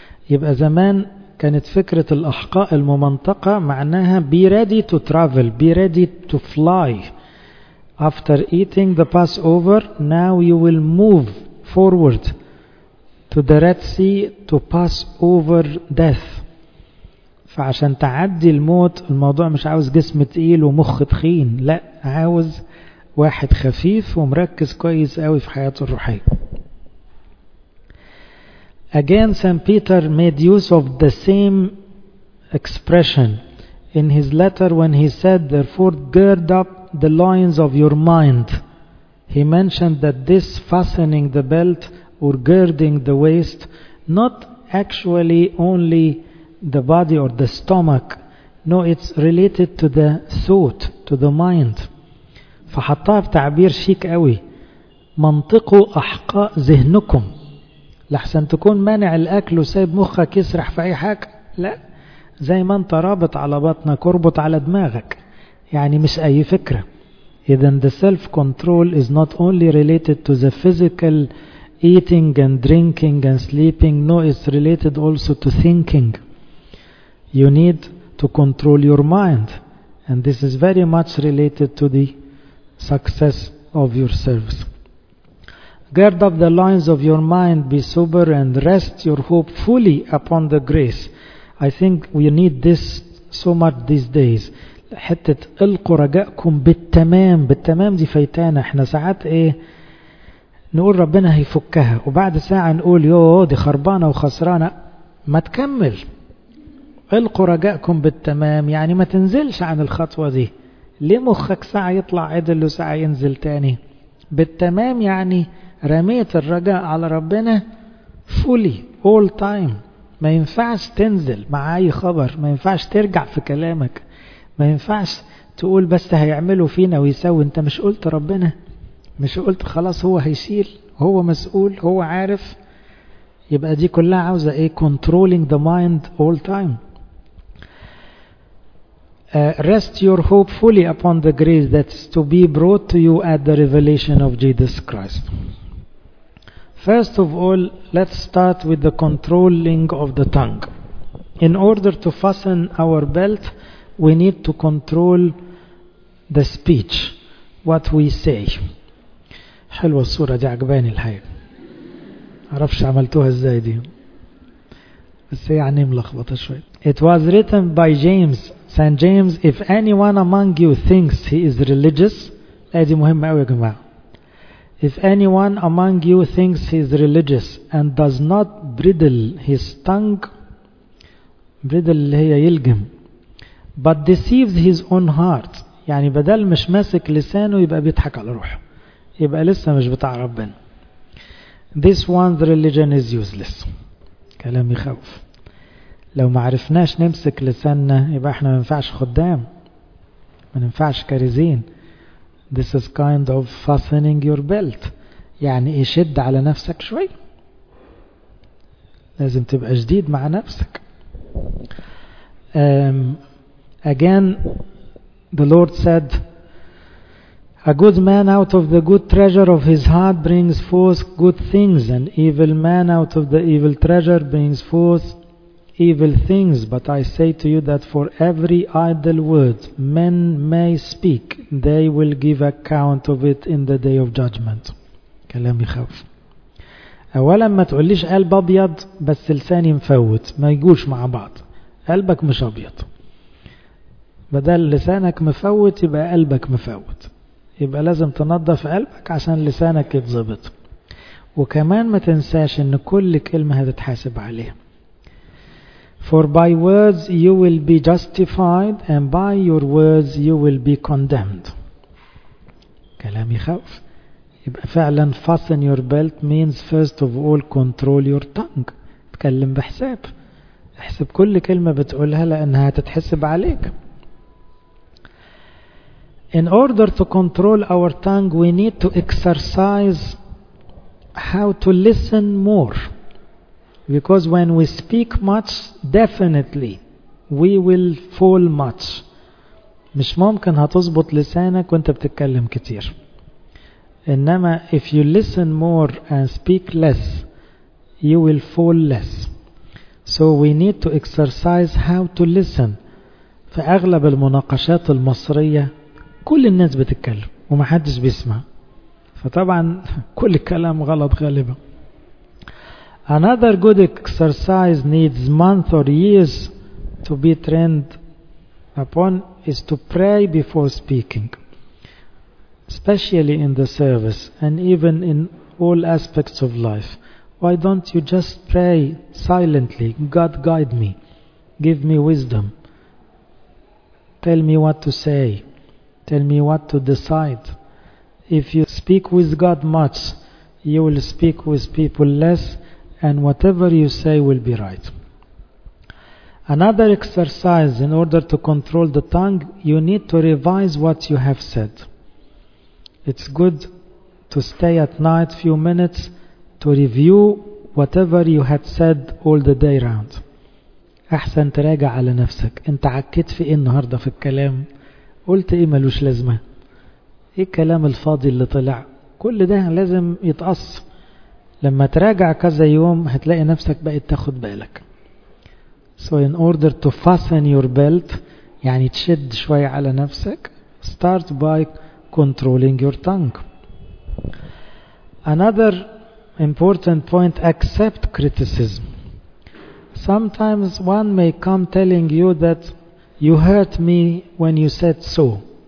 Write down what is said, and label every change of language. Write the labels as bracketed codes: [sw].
[ar] يبقى زمان كانت فكرة الأحقاء الممنطقة معناها [en] be ready to travel, be ready to fly. After eating the Passover, now you will move forward to the Red Sea to pass over death. [ar] فعشان تعدي الموت الموضوع مش عاوز جسم تقيل ومخ تخين, لا, عاوز واحد خفيف ومركز كويس قوي في حياته الروحية. [en] Again, St. Peter made use of the same expression in his letter when he said, therefore gird up the loins of your mind. He mentioned that this fastening the belt or girding the waist, not actually only the body or the stomach, no, it's related to the thought, to the mind. [ar] فحطها في تعبير شيك قوي، منطقوا أحقاء ذهنكم. لحسن تكون مانع الأكل وسايب مخك يسرح في أي حاجة، لا، زي ما أنت رابط على بطنك وربط على دماغك، يعني مش أي فكرة. إذن [en] the self-control is not only related to the physical eating and drinking and sleeping, no, it's related also to thinking. You need to control your mind, and this is very much related to the success of your service. Gird up the loins of your mind, be sober, and rest your hope fully upon the grace. I think we need this so much these days. [ar] حتة القوا رجاءكم بالتمام، بالتمام دي فايتانا. احنا ساعات ايه نقول ربنا هيفكها، وبعد ساعة نقول يوه دي خربانة وخسرانة. ما تكمل، القوا رجاءكم بالتمام، يعني ما تنزلش عن الخطوة دي. ليه مخك ساعة يطلع عدل وساعة ينزل تاني؟ بالتمام يعني رميت الرجاء على ربنا [en] fully all time. [ar] ما ينفعش تنزل مع اي خبر، ما ينفعش ترجع في كلامك، ما ينفعش تقول بس هيعمله فينا ويسوي. انت مش قلت ربنا؟ مش قلت خلاص هو هيشيل، هو مسؤول، هو عارف؟ يبقى دي كلها عاوزة ايه؟ [en] controlling the mind all time. Rest your hope fully upon the grace that's to be brought to you at the revelation of Jesus Christ. First of all, let's start with the controlling of the tongue. In order to fasten our belt, we need to control the speech, what we say. [ar] حلوة الصورة دي، عجباني الحياة، عرفش عملتوها ازاي دي، بس يعني ملخبطة شوية. [en] It was written by James, Saint James, if anyone among you thinks he is religious. [ar] دي مهمة قوي يا جماعة. [en] If anyone among you thinks he is religious and does not bridle his tongue, bridle [ar] اللي هي يلجم، [en] but deceives his own heart، [ar] يعني بدل مش ماسك لسانه يبقى بيضحك على روحه، يبقى لسه مش بتاع ربنا، [en] this one's religion is useless. [ar] كلام يخوف. لو ما عرفناش نمسك لساننا يبقى احنا ما ينفعش خدام، ما ينفعش كاريزين. [en] This is kind of fastening your belt. [ar] يعني ايه؟ شد على نفسك شوي، لازم تبقى جديد مع نفسك. [en] Again, the Lord said, a good man out of the good treasure of his heart brings forth good things, an evil man out of the evil treasure brings forth evil things. But I say to you that for every idle word men may speak, they will give account of it in the day of judgment. [ar] كلام يخوف. أولا ما تقوليش قلب أبيض بس لساني مفوت، ما يجوش مع بعض. قلبك مش أبيض، بدل لسانك مفوت يبقى قلبك مفوت، يبقى لازم تنظف قلبك عشان لسانك يتظبط. وكمان ما تنساش ان كل كلمة هتتحاسب عليها. [en] For by words you will be justified and by your words you will be condemned. [ar] كلام يخوف. يبقى فعلا [en] fasten your belt means first of all control your tongue. [ar] تكلم بحساب، احسب كل كلمة بتقولها لانها هتتحسب عليك. [en] In order to control our tongue, we need to exercise how to listen more. Because when we speak much, definitely we will fall much. [ar] مش ممكن هتظبط لسانك وانت بتتكلم كتير. إنما [en] if you listen more and speak less, you will fall less. So we need to exercise how to listen. [ar] في اغلب المناقشات المصرية كل الناس بتتكلم ومحدش بيسمع، فطبعا كل الكلام غلط غالبا. [en] Another good exercise needs months or years to be trained upon is to pray before speaking, especially in the service and even in all aspects of life. Why don't you just pray silently? God guide me, give me wisdom, tell me what to say, tell me what to decide. If you speak with God much, you will speak with people less, and whatever you say will be right. Another exercise in order to control the tongue, you need to revise what you have said. it's good to stay at night a few minutes to review whatever you had said all the day round. [ar] أحسن تراجع على نفسك. أنت عكيت في إيه النهاردة في الكلام؟ قلت إيه ملوش لازمة؟ إيه الكلام الفاضي اللي طلع؟ كل ده لازم يتقص. لما تراجع كذا يوم هتلاقي نفسك بقيت تاخد بالك. [en] So in order to fasten your belt, [ar] يعني تشد شوية على نفسك, [en] start by controlling your tongue. Another important point, accept criticism. Sometimes one may come telling you that you hurt me when you said so.